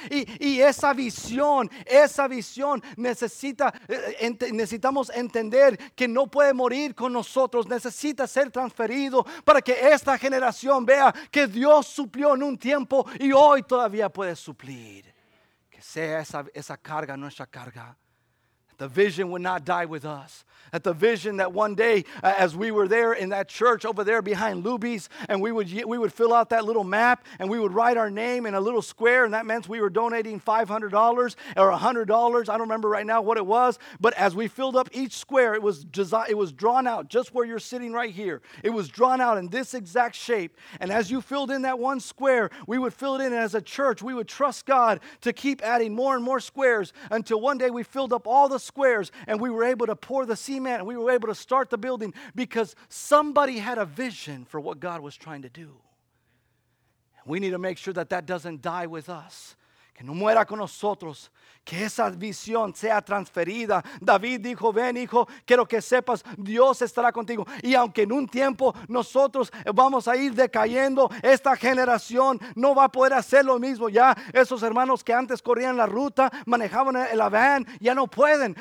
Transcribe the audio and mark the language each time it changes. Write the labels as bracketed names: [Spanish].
[Spanish] Y esa visión necesitamos entender que no puede morir con nosotros, necesita ser transferido para que esta generación vea que Dios suplió en un tiempo y hoy todavía puede suplir. Que sea esa carga nuestra carga. [English] The vision would not die with us. That the vision that one day, as we were there in that church over there behind Luby's, and we would fill out that little map and we would write our name in a little square, and that meant we were donating $500 or $100. I don't remember right now what it was, but as we filled up each square, it was drawn out just where you're sitting right here. It was drawn out in this exact shape, and as you filled in that one square, we would fill it in, and as a church, we would trust God to keep adding more and more squares until one day we filled up all the squares and we were able to pour the cement and we were able to start the building, because somebody had a vision for what God was trying to do. We need to make sure that doesn't die with us. [Spanish] Que no muera con nosotros, que esa visión sea transferida. David dijo: ven, hijo, quiero que sepas, Dios estará contigo. Y aunque en un tiempo nosotros vamos a ir decayendo, esta generación no va a poder hacer lo mismo. Ya esos hermanos que antes corrían la ruta, manejaban el van, ya no pueden.